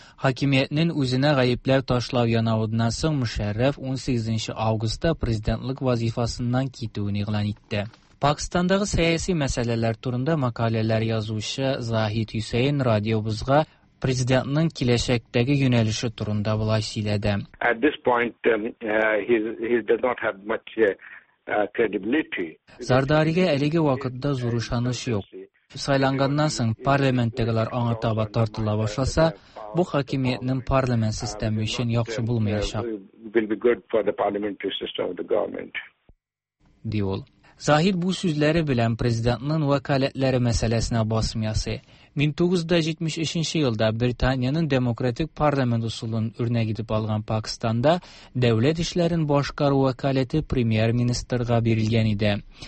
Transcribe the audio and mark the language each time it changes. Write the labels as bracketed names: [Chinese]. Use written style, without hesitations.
[Tatar] Хакимиятнең үзенә гаепләр ташлау янаудан соң Мишәрәф 18 августта президентлык вазифасыннан китүен игълан итте. Пакистандагы сәяси мәсьәләләр турында макаләләр язучы Захид Хусейн радиобызга президентның киләчәктәге юнәлеше турында булай сөйләде. [English] At this point he does not have much credibility. [Tatar] Зардаригә әлеге вакытта зур ышаныч юк. Сайланганнан соң парламенттагылар аңа таба тартыла башласа, бу хакимиятнең парламент системы өчен яхшы булмаячак. [English] Will be good for the parliamentary system of the government. [Tatar] Ди ул. Захид бу сүзләре белән президентның вәкаләтләре мәсьәләсенә басым ясый. 1973 елда Британияның демократик парламент усулын үрнәк итеп алган Пакистанда дәүләт эшләрен башкару вәкаләте премьер-министрга бирелгән иде.